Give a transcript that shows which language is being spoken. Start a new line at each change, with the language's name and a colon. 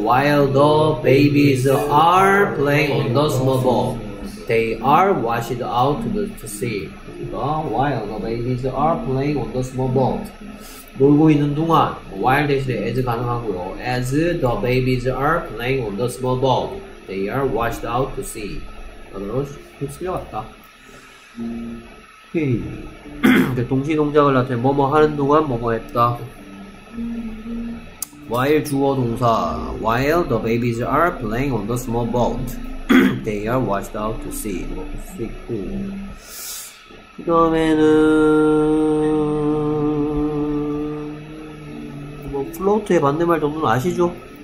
English: While the babies are playing on the small boat, they are washed out to the sea. While the babies are playing on the small boat,
Korean: 놀고 있는 동안
English: while
Korean: 대신에
English: as
Korean: 가능하고요.
English: As the babies are playing on the small boat, they are washed out to sea.
Korean: 그대로 쓸려갔다. 동시 동작을 나타내 뭐뭐 하는 동안 뭐뭐 했다.
English: While
Korean: 주어 동사
English: while the babies are playing on the small boat, they are washed out to sea.
Korean: 뭐 볼 수 있고. 그 다음에는 뭐 플로트의 반대말 정도는 아시죠?